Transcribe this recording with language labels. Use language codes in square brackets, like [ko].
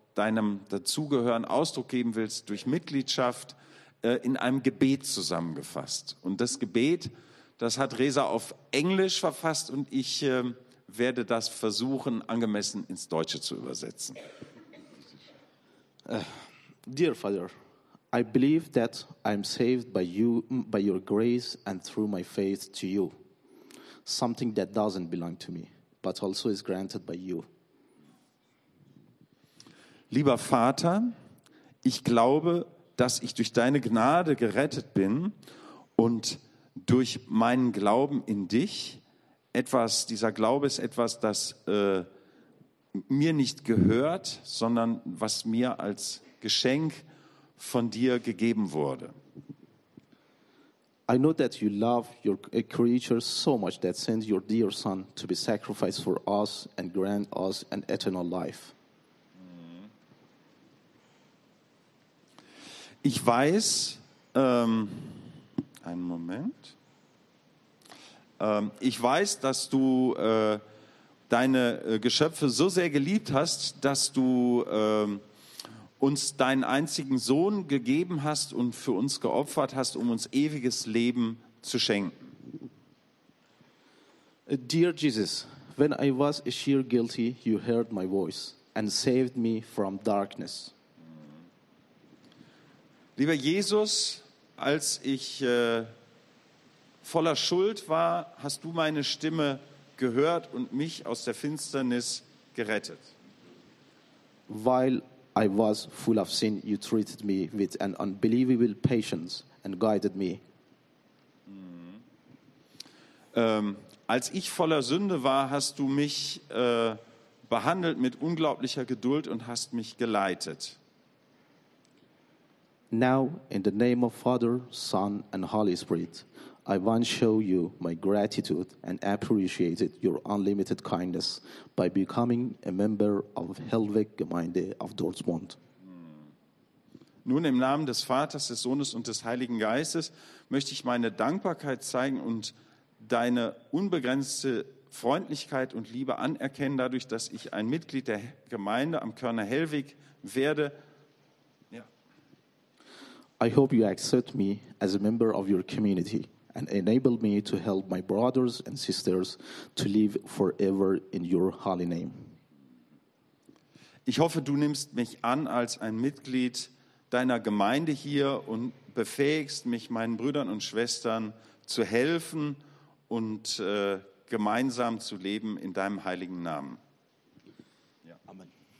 [de] deinem Dazugehören Ausdruck geben willst, durch Mitgliedschaft in einem Gebet zusammengefasst. Und das Gebet, das hat Reza auf Englisch verfasst und ich werde das versuchen, angemessen ins Deutsche zu übersetzen. [en] Dear Father, I believe that I am saved by you, by your grace and through my faith to you. Something that doesn't belong to me, but also is granted by you. [de] Lieber Vater, ich glaube, dass ich durch deine Gnade gerettet bin und durch meinen Glauben in dich etwas, dieser Glaube ist etwas, das mir nicht gehört, sondern was mir als Geschenk von dir gegeben wurde. [en] I know that you love your creatures so much that sent your dear son to be sacrificed for us and grant us an eternal life. [de] Ich weiß, einen Moment. Ich weiß, dass du deine Geschöpfe so sehr geliebt hast, dass du uns deinen einzigen Sohn gegeben hast und für uns geopfert hast, um uns ewiges Leben zu schenken. [en] Dear Jesus, when I was a sheer guilty, you heard my voice and saved me from darkness. [de] Lieber Jesus, als ich voller Schuld war, hast du meine Stimme gehört und mich aus der Finsternis gerettet. [en] While I was full of sin, you treated me with an unbelievable patience and guided me. [de] Als ich voller Sünde war, hast du mich behandelt mit unglaublicher Geduld und hast mich geleitet. [en] Now, in the name of Father, Son, and Holy Spirit, I want to show you my gratitude and appreciate your unlimited kindness by becoming a member of Hellweg Gemeinde of Dortmund. [de] Nun im Namen des Vaters, des Sohnes und des Heiligen Geistes möchte ich meine Dankbarkeit zeigen und deine unbegrenzte Freundlichkeit und Liebe anerkennen, dadurch, dass ich ein Mitglied der Gemeinde am Körner Hellweg werde. [en] I hope you accept me as a member of your community and enable me to help my brothers and sisters to live forever in your holy name. [de] Ich hoffe, du nimmst mich an als ein Mitglied deiner Gemeinde hier und befähigst mich, meinen Brüdern und Schwestern zu helfen und gemeinsam zu leben in deinem heiligen Namen. Ja, Amen.